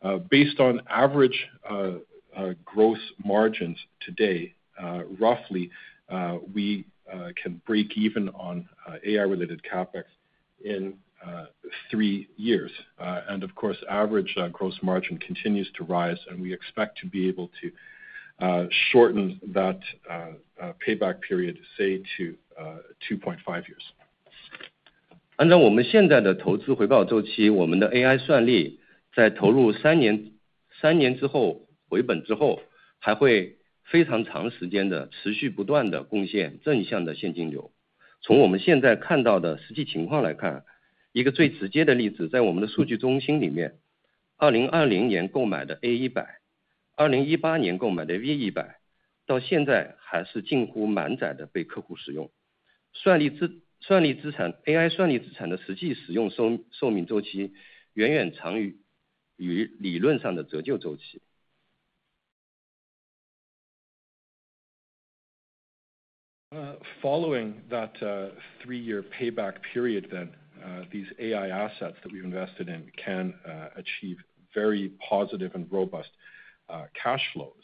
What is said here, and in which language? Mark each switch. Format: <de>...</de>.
<en>Based on average gross margins today, roughly, we can break even on AI-related CapEx in 3 years. And, of course, average gross margin continues to rise, and we expect to be able to shorten that payback period, say, to 2.5 years.</en> <zh>按照我们现在的投资回报周期，我们的 AI 算力在投入三年之后回本之后，还会非常长时间的持续不断的贡献正向的现金流。从我们现在看到的实际情况来看，一个最直接的例子，在我们的数据中心里面， 2020年购买的 A100， 2018年购买的 V100， 到现在还是近乎满载的被客户使用，算力资产 AI 算力资产的实际使用寿命周期远远长于理论上的折旧周期。</zh> <en>Following that three-year payback period, then these AI assets that we've invested in can achieve very positive and robust cash flow.</en>